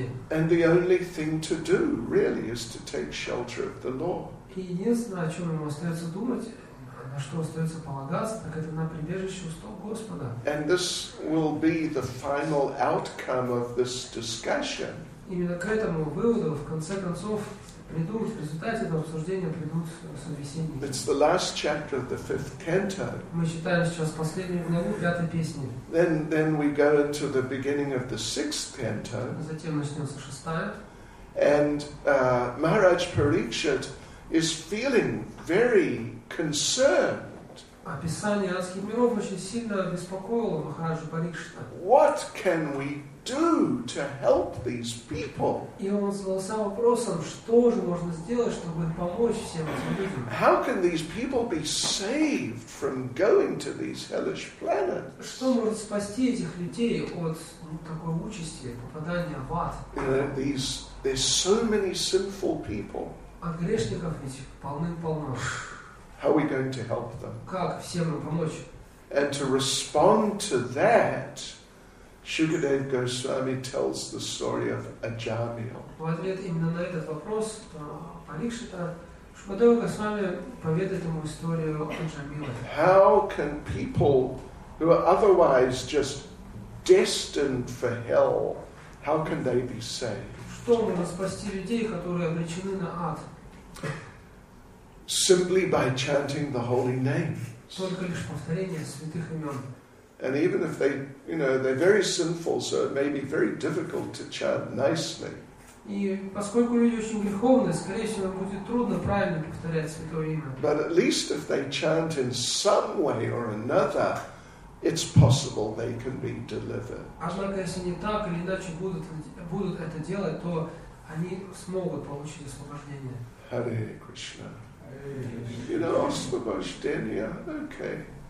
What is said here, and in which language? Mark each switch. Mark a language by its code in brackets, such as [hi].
[en] And the only thing to do, really, is to take shelter of the Lord. [ru] И единственное, о чем ему остается думать, на что остается полагаться, так это на прибежище у стоп Господа. [en] And this will be the final outcome of this discussion. [ru] Именно к этому выводу в конце концов придут, в результате этого обсуждения придут собеседники. [en] It's the last chapter of the fifth canto. [ru] Мы читаем сейчас последнюю главу пятой песни. [en] Then we go into the beginning of the sixth canto. [ru] Затем начнется шестая. [en] And Maharaj Parikshit is feeling very concerned. [ru] Описание адских миров очень сильно беспокоило Махараджу Парикшита. [en] What can we do to help these people? [ru] И он задался вопросом, что же можно сделать, чтобы помочь всем этим людям? [en] How can these people be saved from going to these hellish planets? [ru] Что может спасти этих людей от такой участи, попадания в ад? [en] There's so many sinful people. [ru] А грешников ведь полным-полно. [en] How are we going to help them? [ru] Как всем им помочь? [en] And to respond to that, Shukadev Goswami tells the story of Ajamil. [ru] В ответ именно на этот вопрос Парикшита Шукадева Госвами поведает ему историю Аджамила. [en] How can people who are otherwise just destined for hell, how can they be saved? [ru] Что можно спасти людей, которые обречены на ад? [en] Simply by chanting the holy names. [ru] Только лишь повторение святых имен. [en] And even if they, you know, they're very sinful, so it may be very difficult to chant nicely. [ru] И поскольку люди очень греховные, скорее всего, будет трудно правильно повторять святое имя. [en] But at least if they chant in some way or another, it's possible they can be delivered. [ru] Однако, если не так или иначе будут это делать, то они смогут получить освобождение. [en] Hare Krishna. You know, освобождение, okay.